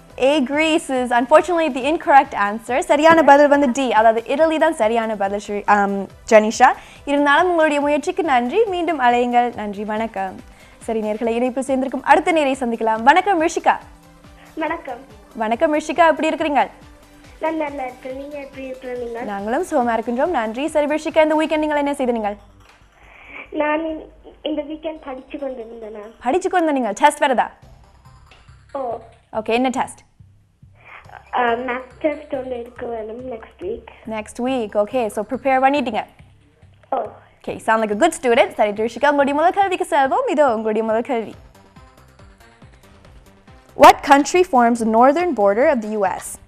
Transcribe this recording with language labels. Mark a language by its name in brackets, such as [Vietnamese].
[English] A, Greece is unfortunately the incorrect answer. [Tamil] சரியான பதில் வந்து D, அதாவது இட்டலி தான் சரியான பதில் ஜெனிஷா. இருந்தாலும் உங்களுடைய முயற்சிக்கு நன்றி. மீண்டும் அழையுங்கள். நன்றி, வணக்கம். சரி நேர்களை, இணைப்பு சேர்ந்திருக்கும் அடுத்த நேரை சந்திக்கலாம். வணக்கம் ரிஷிகா. வணக்கம். வணக்கம் ரிஷிகா, எப்படி இருக்கிறீங்க? நாங்களும் சோமா இருக்கின்றோம். நன்றி. சரி பிரஷிக்கா, இந்த வீக்கெண்ட் நீங்கள் என்ன செய்தீர்கள்? நான் இந்த வீக்கெண்ட் படிச்சு கொண்டிருந்தேன். படிச்சு கொண்டு நீங்கள் டெஸ்ட் வருதா? ஓ ஓகே, என்ன டெஸ்ட்? மேத் டெஸ்ட் ஒன்று இருக்கு வேணும் next week. Next week, okay. So prepare பண்ணிட்டீங்க? ஓ [English] Okay, sound like a good student. [Tamil] சரி ட்ரிஷிகா, உங்களுடைய முதல் கல்விக்கு செல்வோம். இதோ உங்களுடைய முதல் கல்வி. [English] What country forms the northern border of the U.S.?